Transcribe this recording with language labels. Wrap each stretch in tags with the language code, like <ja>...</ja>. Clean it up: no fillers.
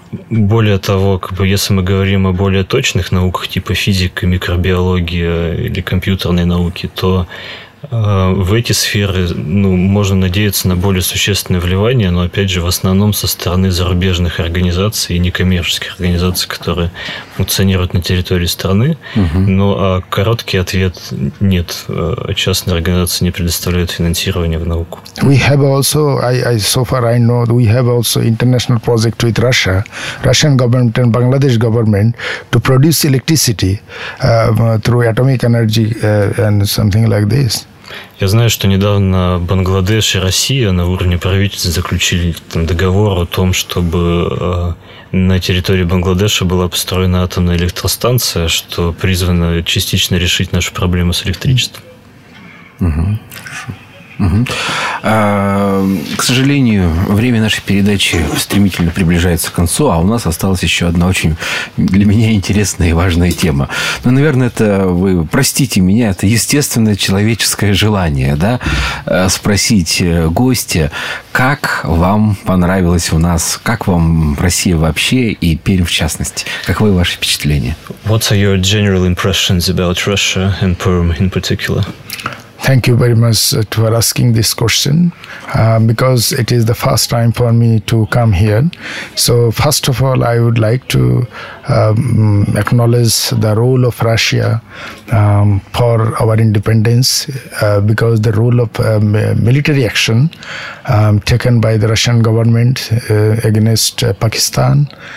<ru>Более того, как бы, если мы говорим о более точных науках, типа физика, микробиология или компьютерной науки, то в эти сферы можно надеяться на более существенное вливание, но, опять же, в основном со стороны зарубежных организаций и некоммерческих организаций, которые функционируют на территории страны. Но короткий ответ – нет. Частные организации не предоставляют финансирование в науку.</ru> <en>We have also, so far I know, we have also international project with Russia, Russian government and Bangladesh government to produce electricity through atomic energy and something like this.</en> <ru>Я знаю, что недавно Бангладеш и Россия на уровне правительства заключили договор о том, чтобы на территории Бангладеша была построена атомная электростанция, что призвано частично решить нашу проблему с электричеством. К сожалению, время нашей передачи стремительно приближается к концу, а у нас осталась еще одна очень для меня интересная и важная тема. Ну, наверное, это вы простите меня, это естественное человеческое желание, да, спросить гостя, как вам понравилось у нас, как вам Россия вообще и Пермь в частности? Каковы ваши впечатления?</ru> <en>What are your general impressions about Russia and Perm in particular? Thank you very much for asking this question because it is the first time for me to come here. So first of all, I would like to acknowledge the role of Russia for our independence because the role of military action taken by the Russian government against Pakistan.</en>